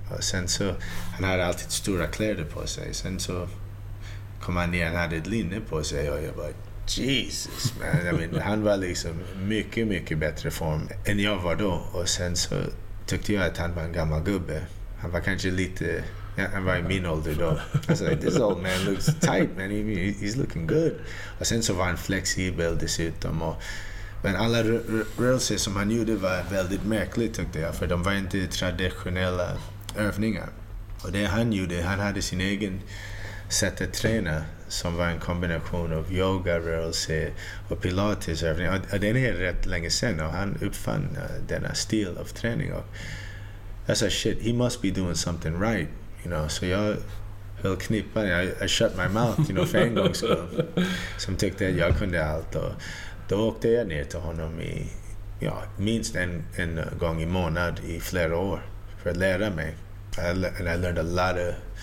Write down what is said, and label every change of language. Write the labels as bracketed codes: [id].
[sv] Och sen så, han hade alltid stora kläder på sig, sen så kom han ner, han hade ett linne på sig och jag bara, Jesus man. [en] I mean, [sv] han var liksom mycket, mycket bättre form än jag var då. Och sen så tyckte jag att han var en gammal gubbe. Han var kanske lite, ja, han var i min ålder då. [en] I was like, this old man looks tight, man. He's looking good. [sv] Och sen så var han flexibel dessutom. Och, men alla rörelser som han gjorde var väldigt märkligt, tyckte jag. För de var inte traditionella övningar. Och det han gjorde, han hade sin egen sätt att träna som var en kombination av yoga-rörelse och pilates-övning. Och den är rätt länge sedan, och han uppfann denna stil av träning. Och jag sa, [en] shit, he must be doing something right, you know. [sv] Så jag höll knippan, [en] I shut my mouth, you know, [sv] för en gångs skull, som tyckte att jag kunde allt. Och då åkte jag ner till honom i, ja, minst en gång i månad i flera år för att lära mig. [en] I learned a lot of...